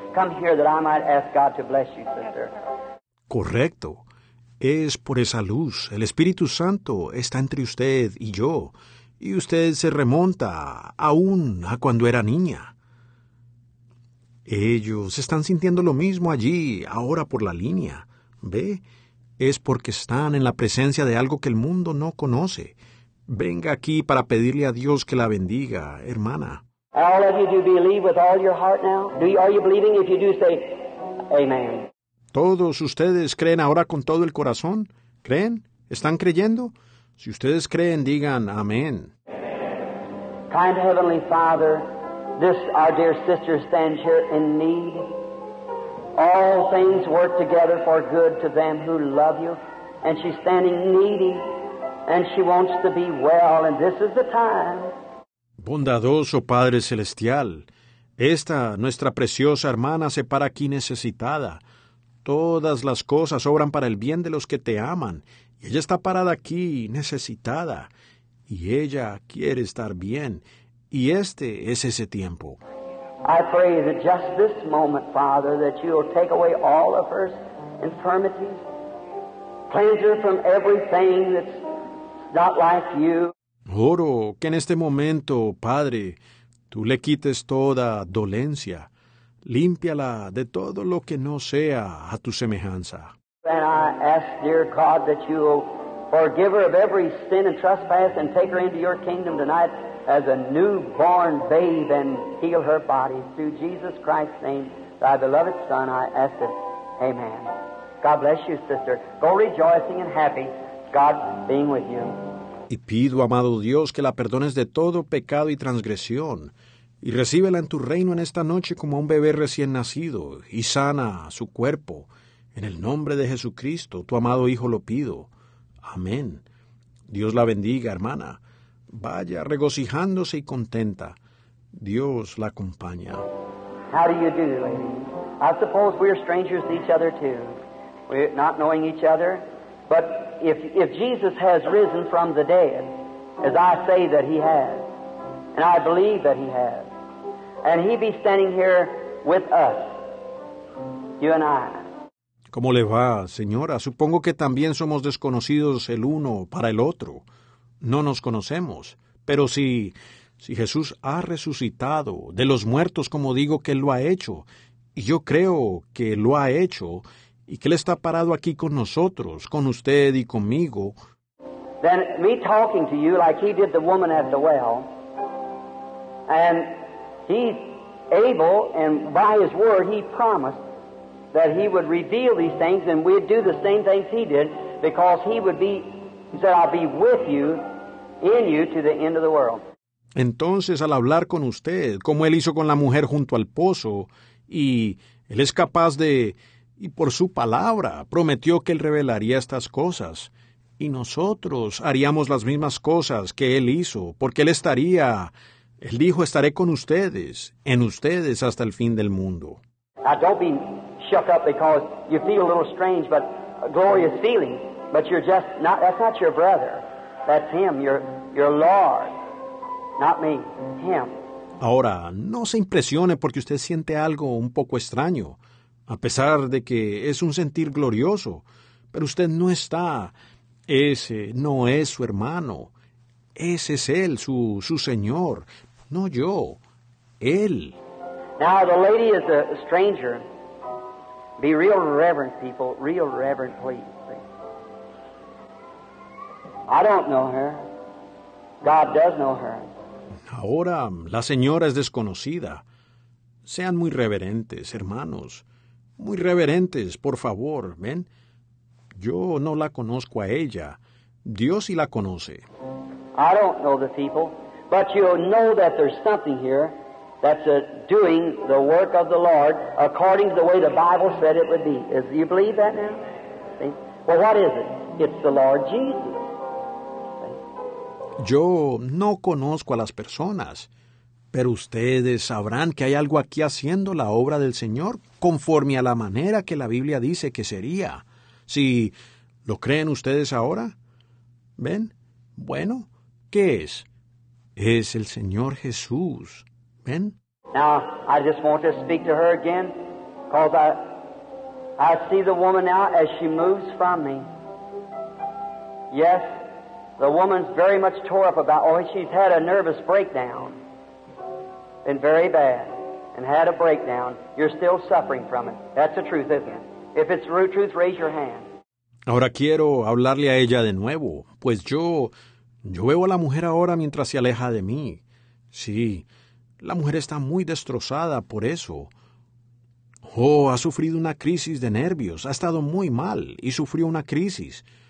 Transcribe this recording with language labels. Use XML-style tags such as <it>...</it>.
<en>Come here that I might ask God to bless you, sister.</en> <es>Correcto. Es por esa luz. El Espíritu Santo está entre usted y yo. Y usted se remonta aún a cuando era niña. Ellos están sintiendo lo mismo allí, ahora por la línea. ¿Ve? Es porque están en la presencia de algo que el mundo no conoce. Venga aquí para pedirle a Dios que la bendiga, hermana.</es> <en>All of you do believe with all your heart now? Are you believing? If you do, say amen.</en> <es>¿Todos ustedes creen ahora con todo el corazón? ¿Creen? ¿Están creyendo? Si ustedes creen, digan amén.</es> <en>Kind Heavenly Father, this our dear sister stands here in need. All things work together for good to them who love you. And she's standing needy, and she wants to be well, and this is the time.</en> <es>Bondadoso Padre Celestial, esta nuestra preciosa hermana se para aquí necesitada. Todas las cosas obran para el bien de los que te aman. Y ella está parada aquí, necesitada. Y ella quiere estar bien. Y este es ese tiempo.</es> <en>I pray that just this moment, Father, that you will take away all of her infirmities. Cleanse her from everything that's not like you.</en> <es>Oro que en este momento, Padre, tú le quites toda dolencia. Límpiala de todo lo que no sea a tu semejanza.</es> <en>And I ask, dear God, that you will forgive her of every sin and trespass and take her into your kingdom tonight as a newborn babe and heal her body. Through Jesus Christ's name, thy beloved Son, I ask it. Amen. God bless you, sister. Go rejoicing and happy, God being with you.</en> <es>Y pido, amado Dios, que la perdones de todo pecado y transgresión. Y recíbela en tu reino en esta noche como a un bebé recién nacido, y sana su cuerpo. En el nombre de Jesucristo, tu amado Hijo, lo pido. Amén. Dios la bendiga, hermana. Vaya regocijándose y contenta. Dios la acompaña.</es> <en>How do you do, lady? I suppose we're strangers to each other, too. We're not knowing each other. But if Jesus has risen from the dead, as I say that he has, and I believe that he has, and he be standing here with us, you and I.</en> <es>¿Cómo le va, señora? Supongo que también somos desconocidos el uno para el otro. No nos conocemos. Pero si Jesús ha resucitado de los muertos, como digo que lo ha hecho, y yo creo que lo ha hecho, y que él está parado aquí con nosotros, con usted y conmigo.</es> <en>Then me talking to you like he did the woman at the well. And he's able, and by his word, he promised that he would reveal these things, and we'd do the same things he did, because he would be, he said, I'll be with you, in you, to the end of the world.</en> <es>Entonces, al hablar con usted, como él hizo con la mujer junto al pozo, y él es capaz de, y por su palabra, prometió que él revelaría estas cosas, y nosotros haríamos las mismas cosas que él hizo, porque él estaría... Él dijo, estaré con ustedes, en ustedes, hasta el fin del mundo.</es> <en>Now, don't be shook up because you feel a little strange, but a glorious feeling. But you're just not, that's not your brother. That's him, your Lord. Not me, him.</en> <es>Ahora, no se impresione porque usted siente algo un poco extraño, a pesar de que es un sentir glorioso. Pero usted no está, ese no es su hermano. Ese es él, su Señor. No yo. Él.</es> <en>Now, the lady is a stranger. Be real reverent, people. Real reverent, please. I don't know her. God does know her.</en> <es>Ahora, la señora es desconocida. Sean muy reverentes, hermanos. Muy reverentes, por favor, ¿ven? Yo no la conozco a ella. Dios sí la conoce.</es> <en>I don't know the people, but you know that there's something here that's doing the work of the Lord according to the way the Bible said it would be. Do you believe that now? See? Well, what is it? It's the Lord Jesus. See?</en> <es>Yo no conozco a las personas, pero ustedes sabrán que hay algo aquí haciendo la obra del Señor conforme a la manera que la Biblia dice que sería. Si lo creen ustedes ahora, ¿ven? Bueno, ¿qué es? Es el Señor Jesús, ¿ven?</es> <en>Now, I just want to speak to her again, because I see the woman now as she moves from me. Yes, the woman's very much tore up about, oh, she's had a nervous breakdown. Been very bad and had a breakdown. You're still suffering from it. That's the truth, isn't it? If it's the truth, raise your hand.</en> <es>Ahora quiero hablarle a ella de nuevo, pues yo veo a la mujer ahora mientras se aleja de mí. Sí, la mujer está muy destrozada por eso. Oh, ha sufrido una crisis de nervios, ha estado muy mal y sufrió una crisis.</es>